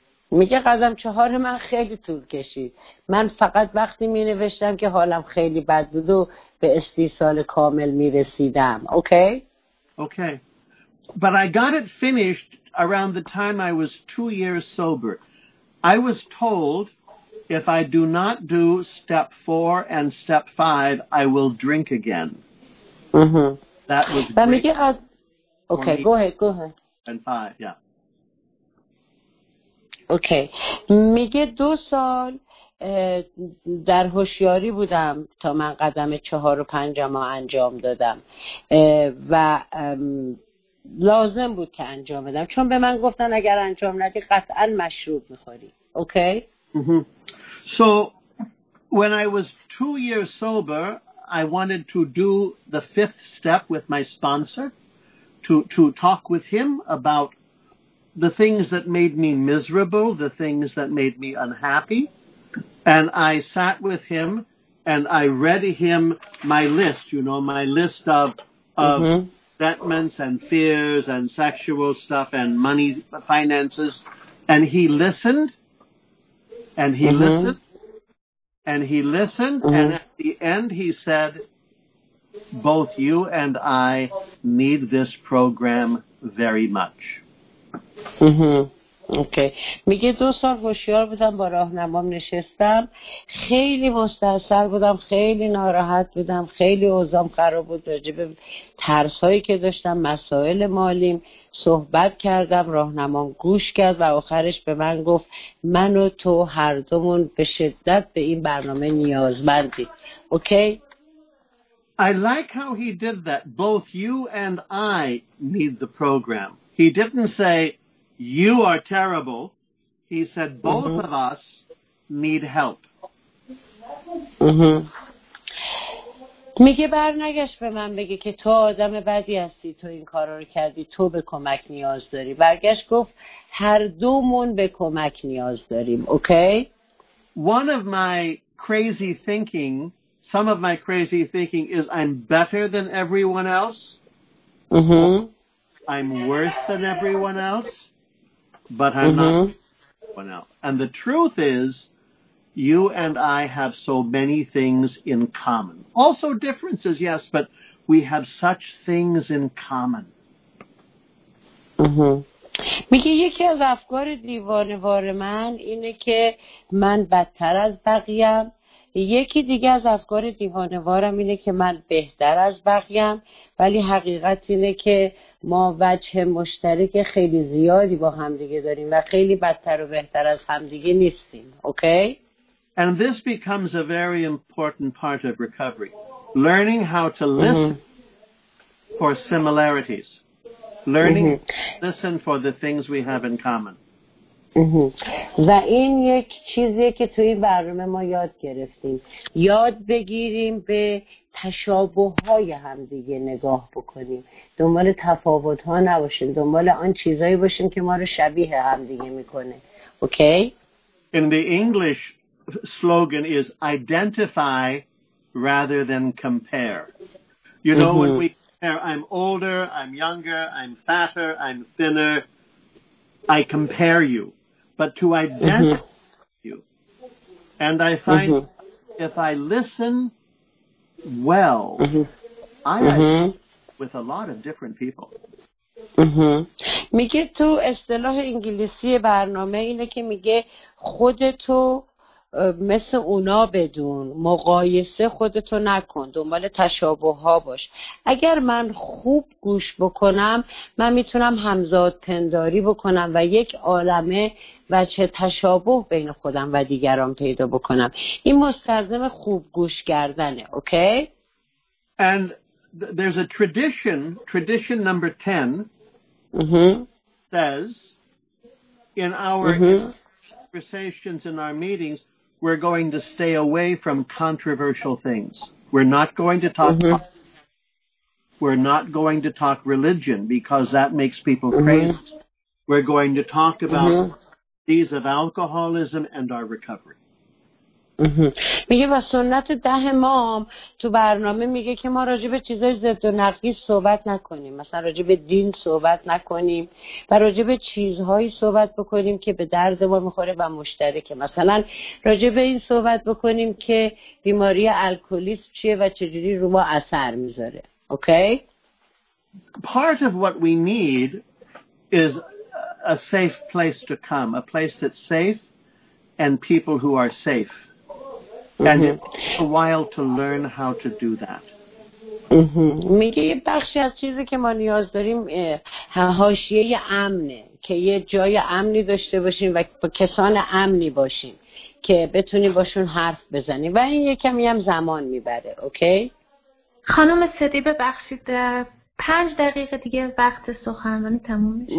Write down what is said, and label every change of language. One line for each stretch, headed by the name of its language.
Persian: میگه قدم چهار من خیلی طول کشید. من فقط وقتی می نوشتم که حالم خیلی بد بود و به استیصال کامل می رسیدم.
English: Okay? Okay. But I got it finished around the time I was 2 years sober. I was told if I do not do step four and step five, I will drink again. That was great.
Persian: میگه از...
English: Okay, go ahead. And five, yeah.
Persian: اوکی میگه 2 سال در هوشیاری بودم تا من قدم 4 و 5 انجام دادم و لازم بود که انجام بدم چون به من گفتن اگر انجام ندی قطعا مشروب میخوری اوکی
English: So when I was 2 years sober I wanted to do the 5th step with my sponsor to talk with him about the things that made me miserable, the things that made me unhappy. And I sat with him and I read him my list, you know, my list of resentments and fears and sexual stuff and money, finances. And he listened and he listened and he listened. And at the end he said, both you and I need this program very much.
Persian: اوکی میگه 2 سال هوشیار بودم با راهنمام نشستم خیلی مستعصب بودم خیلی ناراحت بودم خیلی اوضاعم خراب بود راجع به ترسایی که داشتم مسائل مالیم صحبت کردم راهنمام گوش کرد و آخرش به من گفت من و تو هر دومون به شدت به این برنامه نیازمندی اوکی
English: I like how he did that both you and I need the program he didn't say You are terrible. He said, both of us need help.
Persian: میگه برنگش به من بگه که تو آدم بدی هستی. تو این کار رو کردی. تو به کمک نیاز داری. برگشت گفت هر دومون به کمک نیاز داریم.
English: Okay? One of my crazy thinking, some of my crazy thinking is I'm better than everyone else. I'm worse than everyone else. But I'm not one else. And the truth is, you and I have so many things in common. Also differences, yes, but we have such things in common.
Persian: میگه یکی از افکار دیوانه‌وار من اینه که من بدتر از بقیه‌ام. یکی دیگه از افکار دیوانه‌وارم اینه که من بهتر از بقیه‌ام. ولی حقیقت اینه که ما وجه مشترک خیلی زیادی با همدیگه داریم و خیلی بدتر و بهتر از همدیگه نیستیم.
English: Okay? And this becomes a very important part of recovery. Learning how to listen for similarities. Learning to listen for the things we have in common.
Persian: و این یک چیزیه که توی این برنامه ما یاد گرفتیم. یاد بگیریم به تشابه‌های همدیگه نگاه بکنیم. دنبال تفاوت‌ها نباشیم، دنبال آن چیزایی باشیم که ما رو شبیه همدیگه می‌کنه.
English: Okay? In the English slogan is identify rather than compare. You know when we compare I'm older, I'm younger, I'm fatter, I'm thinner, I compare you. But to identify you. And I find if I listen well, I with a lot of different people.
Persian: میگه تو اصطلاح انگلیسی برنامه اینه که میگه خودتو مثل اونا بدون مقایسه خودتو نکن دنبال تشابه ها باش اگر من خوب گوش بکنم من میتونم همزاد پنداری بکنم و یک عالمه وچه تشابه بین خودم و دیگران پیدا بکنم این مستلزم خوب گوش کردنه اوکی؟
English: And there's a tradition number 10 says in our conversations in our meetings We're going to stay away from controversial things. We're not going to talk We're not going to talk religion because that makes people crazy. We're going to talk about these of alcoholism and our recovery.
Persian: میگه و سنت ده مام تو برنامه میگه که ما راجع به چیزای ضد و نقیض صحبت نکنیم، مثلا راجع به دین صحبت نکنیم و راجع به چیزهایی صحبت بکنیم که به درد ما میخوره و مشترکه. مثلا راجع به این صحبت بکنیم که بیماری الکلیسم چیه و چجوری رو ما اثر میذاره.
English: Okay? Part of what we need is a safe place to come, a place that's safe and people who are safe. And it's a while to learn how to do that.
Persian: میگه یه بخشی از چیزی که ما نیاز داریم حاشیه امنه، که یه جای امنی داشته باشیم و با کسان امنی باشیم که بتونیم باشون حرف بزنیم و این یکمی هم زمان میبره.
English: Okay?
Persian: خانم صدی ببخشید 5 دقیقه دیگه وقت سخنرانی تموم میشه.